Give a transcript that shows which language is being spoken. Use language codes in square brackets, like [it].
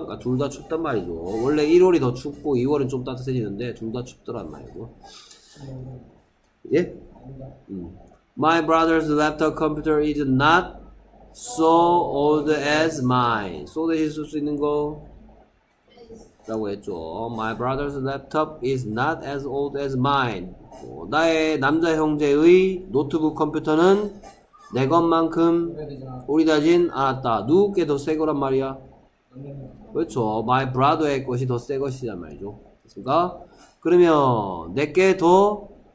[ko] 그러니까 둘 다 춥단 말이죠. 원래 1월이 더 춥고 2월은 좀 따뜻해지는데 둘 다 춥더란 말이고. 예? [en] My brother's laptop computer is not so old as mine. [ko] So 대신 쓸 수 있는 거? 라고 했죠. [en] My brother's laptop is not as old as mine. [ko] 나의 남자 형제의 노트북 컴퓨터는 내 것만큼 오래되진 않았다. 누구께 더 새 거란 말이야? 그렇죠. My brother의 것이 더 새 것이란 말이죠. 됐습니까? 그러면 내게 더